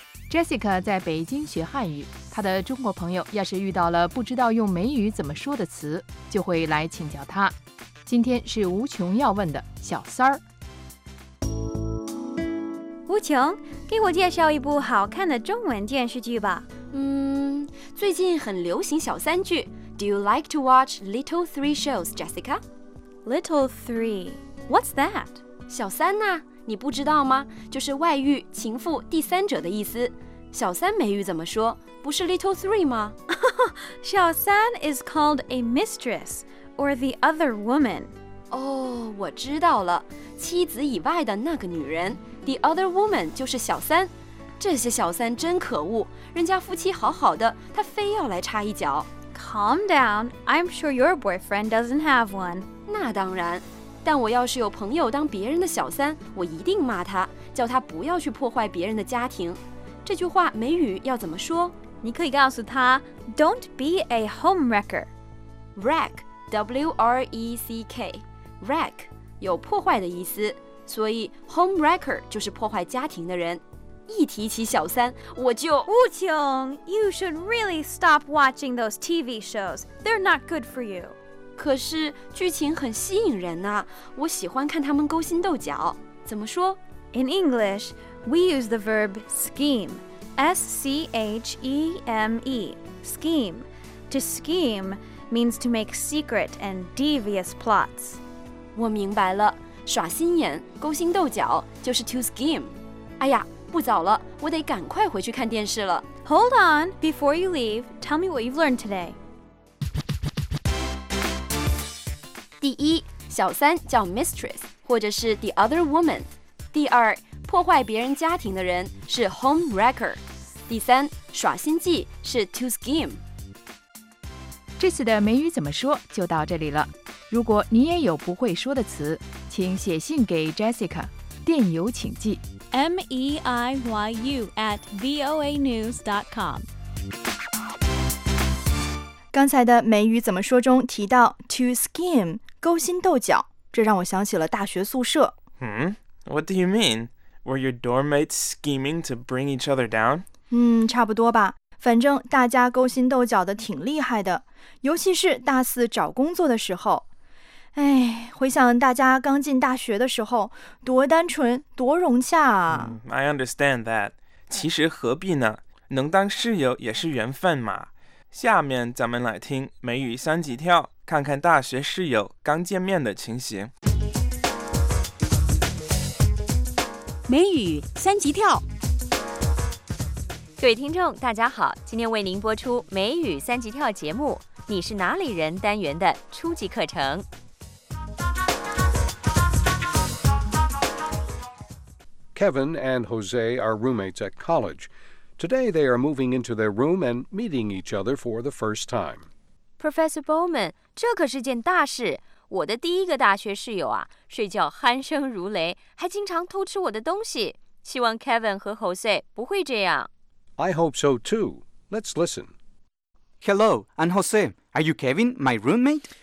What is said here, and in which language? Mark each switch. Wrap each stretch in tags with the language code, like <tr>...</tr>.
<zh>Jessica 在北京学汉语，她的中国朋友要是遇到了不知道用美语怎么说的词，就会来请教她。今天是吴琼要问的小三儿。吴琼，给我介绍一部好看的中文电视剧吧。最近很流行小三剧。</zh> <en>Do you like to watch Little Three Shows, Jessica? Little Three, what's that?</en> <zh>小三呐、啊，你不知道吗？就是外遇、情妇、第三者的意思。小三美语怎么说？不是 Little Three 吗？</zh> <en>小三 is called a mistress or the other woman.</en> <zh>哦，我知道了，妻子以外的那个女人 ，</zh> <en>the other woman</en> <zh>就是小三。这些小三真可恶，人家夫妻好好的，她非要来插一脚。</zh> <en>Calm down, I'm sure your boyfriend doesn't have one.</en> <zh>那当然，但我要是有朋友当别人的小三，我一定骂他，叫他不要去破坏别人的家庭。这句话美语要怎么说？你可以告诉他 ，</zh> <en>Don't be a homewrecker.</en> <zh>Wreck, W-R-E-C-K, wreck 有破坏的意思，所以 homewrecker 就是破坏家庭的人。一提起小三，我就……</zh> <en>吴琼 ，You should really stop watching those TV shows. They're not good for you.</en> <zh>可是剧情很吸引人呐、啊，我喜欢看他们勾心斗角。怎么说</zh> <en>？In English, we use the verb scheme, S-C-H-E-M-E, scheme. To scheme means to make secret and devious plots.</en> <zh>我明白了，耍心眼、勾心斗角就是</zh> <en>to scheme。</en> <zh>哎呀，不早了，我得赶快回去看电视了。</zh> <en>Hold on, before you leave, tell me what you've learned today.</en> <zh>第一，小三叫 mistress， 或者是</zh> <en>the other woman。</en> <zh>第二，破坏别人家庭的人是 home wrecker。第三，耍心计是</zh> <en>to scheme。</en> <zh>这次的美语怎么说就到这里了。如果你也有不会说的词，请写信给 Jessica， 电邮请寄</zh> <en>meiyu@voanews.com。</en> <zh>刚才的美语怎么说中提到</zh> <en>to scheme，</en> <zh>勾心斗角，这让我想起了大学宿舍。</zh> <en>What do you mean? Were your dorm mates scheming to bring each other down?</en> <zh>差不多吧。反正大家勾心斗角的挺厉害的，尤其是大四找工作的时候。哎，回想大家刚进大学的时候，多单纯，多融洽啊。</zh> <en>I understand that.</en> <zh>其实何必呢？能当室友也是缘分嘛。下面咱们来听美语三级跳，看看大学室友刚见面的情形。美语三级跳。各位听众大家好，今天为您播出美语三级跳节目，你是哪里人单元的初级课程。</zh> <en>Kevin and Jose are roommates at college. Today they are moving into their room and meeting each other for the first time.</en> <zh>Professor Bowman, 这可是件大事。我的第一个大学室友啊，睡觉鼾声如雷，还经常偷吃我的东西。希望 Kevin 和 Jose 不会这样。</zh> <en>I hope so too. Let's listen. Hello, I'm Jose. Are you Kevin, my roommate?</en>